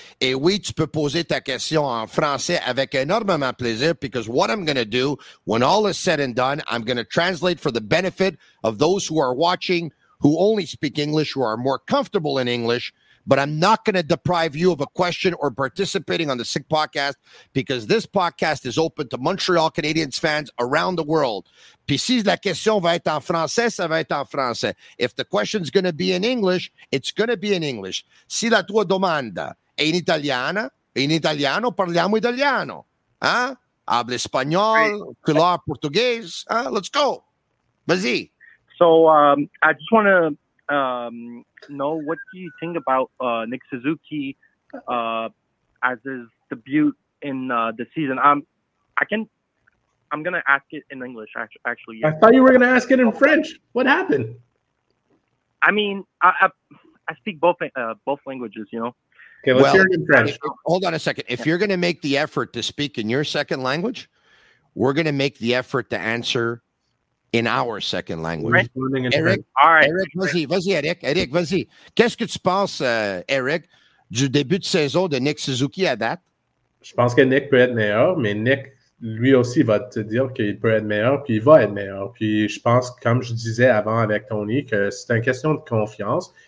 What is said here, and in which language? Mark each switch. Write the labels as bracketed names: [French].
[French] Et oui, tu peux poser ta question en français avec énormément plaisir, [English] because what I'm going to do, when all is said and done, I'm going to translate for the benefit of those who are watching who only speak English, who are more comfortable in English. But I'm not going to deprive you of a question or participating on the Sick Podcast, because this podcast is open to Montreal Canadiens fans around the world. [French] Puis si la question va être en français, ça va être en français. [English] If the question is going to be in English, it's going to be in English. [Italian] Si la tua domanda è in italiana, In italiano parliamo italiano. [Spanish] Hable español, claro portugués. [English] Let's go. [French] Vas-y. [English] So I just want to know, what do you think about Nick Suzuki as his debut in the season? I'm going to ask it in English, actually. Yeah. I thought you were going to ask it in French. What happened? I mean, I speak both languages, you know. Okay, let's hear it in French. Hold on a second. If you're going to make the effort to speak in your second language, we're going to make the effort to answer in our second language. Eric, all right. [French] Eric, vas-y, Eric. Eric, vas-y. Qu'est-ce que tu penses, Eric, du début de saison de Nick Suzuki à date? Je pense que Nick peut être meilleur, mais Nick... lui aussi va te dire qu'il peut être meilleur, puis il va être meilleur. Puis je pense, comme je disais avant avec Tony, que c'est une question de confiance.